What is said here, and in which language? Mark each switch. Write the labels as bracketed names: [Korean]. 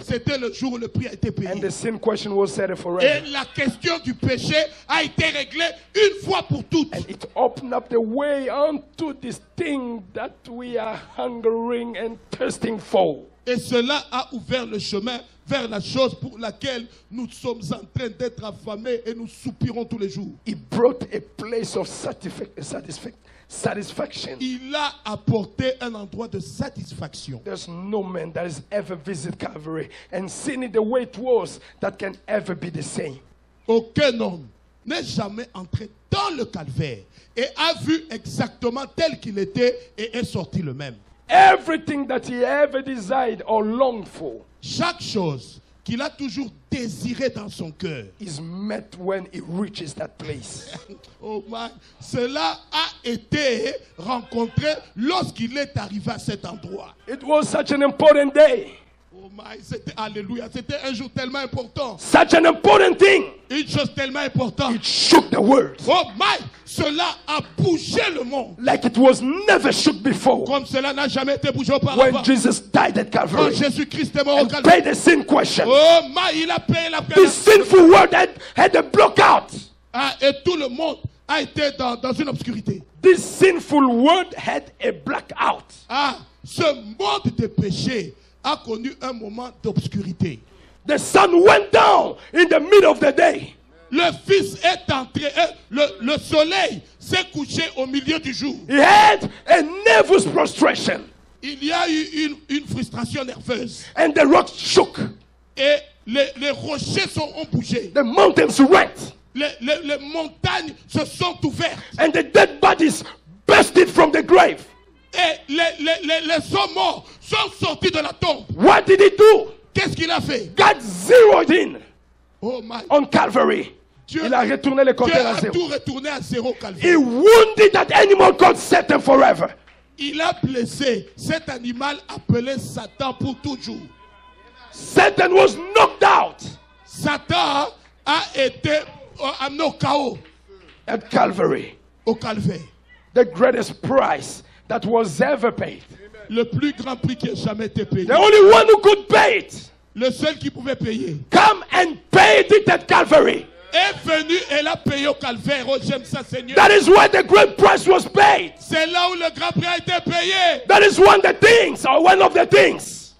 [French] C'était le jour où le prix a été payé. [English] And the sin question was settled forever. [French] Et la question du péché a été réglée une fois pour toutes. [English] And it opened up the way unto this thing that we are hungering and thirsting for. [French] Et cela a ouvert le chemin vers la chose pour laquelle nous sommes en train d'être affamés et nous soupirons tous les jours. [English] It brought a place of satisfaction. [French] Il a apporté un endroit de satisfaction. [English] There's no man that has ever visited Calvary and seen it the way it was that can ever be the same. [French] Aucun homme n'est jamais entré dans le calvaire et a vu exactement tel qu'il était et est sorti le même. [English] Everything that he ever desired or longed for. [French] Chaque chose qu'il a toujours désiré dans son cœur [English] is met when he reaches that place. Oh my, [French] cela a été rencontré lorsqu'il est arrivé à cet endroit. [English] It was such an important day. Oh my, [French] c'était alléluia, c'était un jour tellement important. [English] Such an important thing. [French] Une chose tellement importante. [English] It shook the world. Oh my, [French] cela a bougé le monde. [English] Like it was never shook before. [French] Comme cela n'a jamais été bougé auparavant. [English] When Jesus died at Calvary. [French] Quand Jésus-Christ est mort au Calvaire. [English] Paid the sin question. Oh my, [French] il a payé la peine. [English] The sinful world had a blockout. [French] Ah, et tout le monde a été dans une obscurité. [English] This sinful world had a blackout. [French] Ah, ce monde de péché a connu un moment d'obscurité. [English] The sun went down in the middle of the day. [French] Le fils est entré, le soleil s'est couché au milieu du jour. [English] He had a nervous prostration. [French] Il y a eu une frustration nerveuse. [English] And the rocks shook. [French] Et les rochers ont bougé. [English] The mountains rent. [French] Les montagnes se sont ouvertes. [English] And the dead bodies bursted from the grave. [French] Et les hommes morts sont sortis de la tombe. [English] What did he do? [French] Qu'est-ce qu'il a fait? [English] God zeroed in. Oh my. On Calvary. [French] Il a retourné le compteur à zéro. Dieu a tout retourné à zéro Calvary. [English] He wounded that animal called Satan forever. [French] Il a blessé cet animal appelé Satan pour toujours. [English] Satan was knocked out. [French] Satan a été amené au chaos. [English] At Calvary. [French] Au Calvaire. [English] The greatest price that was ever paid. [French] Le plus grand prix qui a jamais été payé. [English] The only one who could pay it. [French] Le seul qui pouvait payer. [English] Come and pay it at Calvary. [French] Est venu et l'a payé au calvaire. Oh, j'aime ça, Seigneur. [English] That is where the great price was paid. [French] C'est là où le grand prix a été payé. [English] That is one of the things, or one of the things.